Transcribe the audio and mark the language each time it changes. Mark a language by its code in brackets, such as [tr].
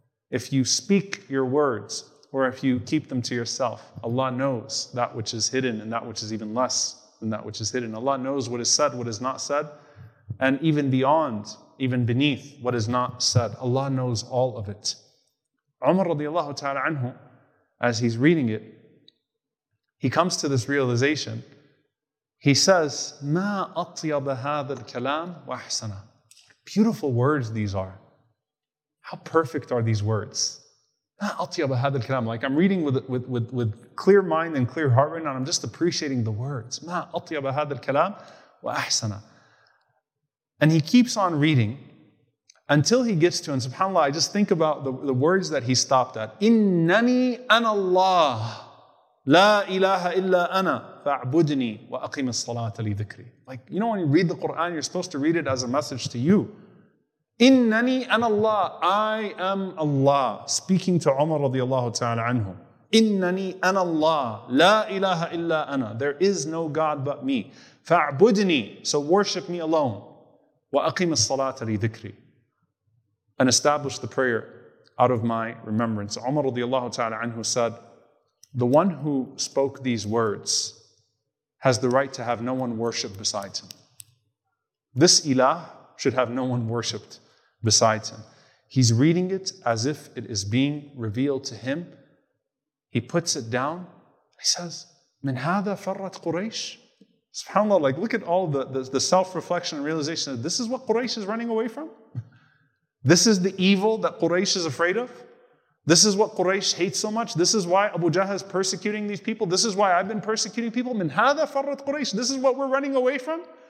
[en] If you speak your words, or if you keep them to yourself, Allah knows that which is hidden and that which is even less than that which is hidden. Allah knows what is said, what is not said, and even beyond, even beneath what is not said. Allah knows all of it. Umar radiallahu ta'ala anhu, as he's reading it, he comes to this realization. He says, [ar] مَا أَطْيَبَ هَذَا الْكَلَامُ وَأَحْسَنَا. [en] Beautiful words these are. How perfect are these words? [ar] مَا أَطْيَبَ هَذَا الْكَلَامُ. [en] Like I'm reading with clear mind and clear heart right now, and I'm just appreciating the words. [ar] مَا أَطْيَبَ هَذَا الْكَلَامُ وَأَحْسَنَا. [en] And he keeps on reading until he gets to, and subhanAllah, I just think about the words that he stopped at. [ar] إِنَّنِي أَنَا اللَّهِ لَا إِلَهَ إِلَّا أَنَا فَاعْبُدْنِي وَأَقِمِ الصَّلَاةَ لِذِكْرِي. [en] Like, you know when you read the Qur'an, you're supposed to read it as a message to you. [ar] إِنَّنِي أَنَا اللَّهِ, [en] I am Allah, speaking to Umar radiallahu ta'ala anhu. [ar] إِنَّنِي أَنَا اللَّهِ لَا إِلَهَ إِلَّا أَنَا, [en] there is no God but me. [ar] فَاعْبُدْنِي, [en] so worship me alone. [ar] وَأَقِمِ الصَّلَاةَ لِذِكْرِي, [en] and establish the prayer out of my remembrance. Umar radiallahu ta'ala anhu said, the one who spoke these words has the right to have no one worship besides him. This ilah should have no one worshipped besides him. He's reading it as if it is being revealed to him. He puts it down. He says, [ar] مِنْ هَذَا فَرَّتْ قُرَيْشِ. [en] SubhanAllah, like look at all the self-reflection and realization that this is what Quraysh is running away from? This is the evil that Quraysh is afraid of? This is what Quraysh hates so much? This is why Abu Jahl is persecuting these people? This is why I've been persecuting people? [ar] Min hadha farrat Quraysh? [en] This is what we're running away from?